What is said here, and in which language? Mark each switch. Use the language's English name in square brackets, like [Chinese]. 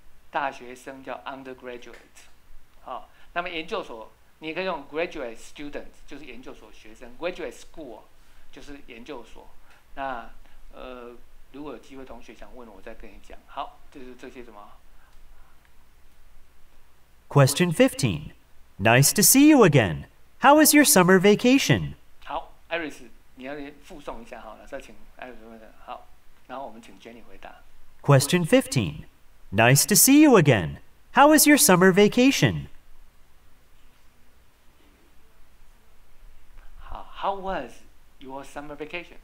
[Chinese] 大学生叫 undergraduate、哦、那么研究所你可以用 graduate student 就是研究所学生， graduate school 就是研究所。那如果有机会同学想问我再跟你讲。好，就是这些什么 [English] Question 15 Nice to see you againHow was your summer vacation? [Chinese] 好 ,Iris, 你要附送一下好了，再请 Iris 问的。好，然后我们请 Jenny 回答。 [English] Question 15. Nice to see you again. How was your summer vacation? 好 ,How was your summer vacation?